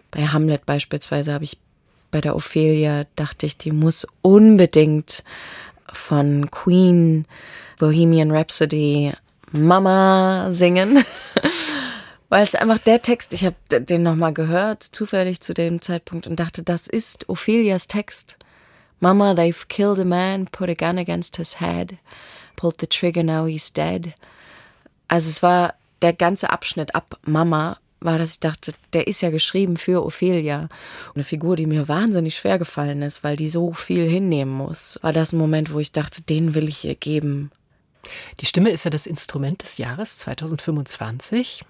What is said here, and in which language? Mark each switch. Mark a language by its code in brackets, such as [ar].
[de] Bei Hamlet beispielsweise habe ich bei der Ophelia, dachte ich, die muss unbedingt von Queen Bohemian Rhapsody Mama singen, weil es einfach der Text, ich habe den nochmal gehört, zufällig zu dem Zeitpunkt und dachte, das ist Ophelias Text. [en] Mama, they've killed a man, put a gun against his head, pulled the trigger, now he's dead. [de] Also es war der ganze Abschnitt ab Mama, war, dass ich dachte, der ist ja geschrieben für Ophelia. Eine Figur, die mir wahnsinnig schwer gefallen ist, weil die so viel hinnehmen muss, war das ein Moment, wo ich dachte, den will ich ihr geben. Die Stimme ist ja das Instrument des Jahres 2025.